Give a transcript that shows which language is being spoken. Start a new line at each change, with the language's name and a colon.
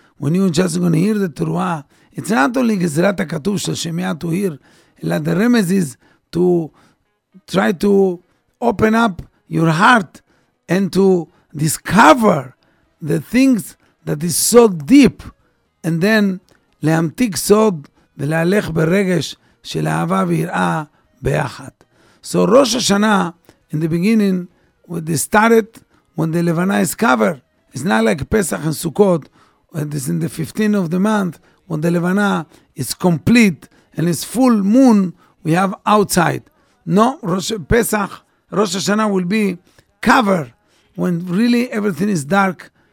English: When you just going to hear the Teruah, it's not only Gezerat HaKatuv של Shemiah to hear, but the remez is to try to open up your heart and to discover the things that is so deep. And then
Hebrew: להמתיק סוד ולהלך ברגש של אהבה ויראה ביחד.
English: So Rosh Hashanah, in the beginning, when they started, when the Levana is covered, it's not like Pesach and Sukkot, when it's in the 15th of the month, when the Levana is complete and it's full moon, we have outside. No, Rosh Hashanah will be covered when really everything is dark.